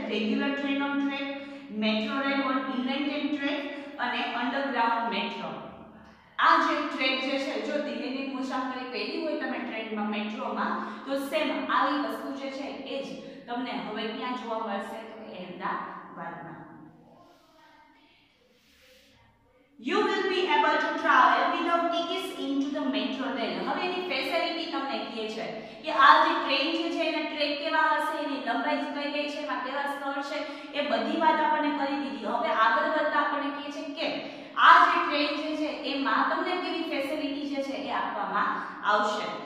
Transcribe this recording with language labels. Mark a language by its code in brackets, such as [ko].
[en] regular train on track metro rail on Indian track [gu] અને [en] Underground metro. [gu] આ જે track જે છે જો દિલ્હીની મુસાફરી કરી હોય તમે ટ્રેનમાં મેટ્રોમાં તો સેમ આવી વસ્તુ જે છે એ જ તમને હવે ક્યાં જોવા મળશે તો અમદાવાદમાં. [en] You will be able to travel without tickets into the metro rail. [gu] હવે એની ફેસિલિટી તમને કહે છે કે આ જે ટ્રેન જે છે એના ટ્રેક કેવા હશે એની લંબાઈ કઈ કઈ છે એમાં કેવા સ્તર છે એ બધી વાત આપણને કરી દીધી. હવે આગળ વધતા આપણને કહે છે કે આ જે ટ્રેન જે છે એમાં તમને કેવી ફેસિલિટી જે છે એ આપવામાં આવશે.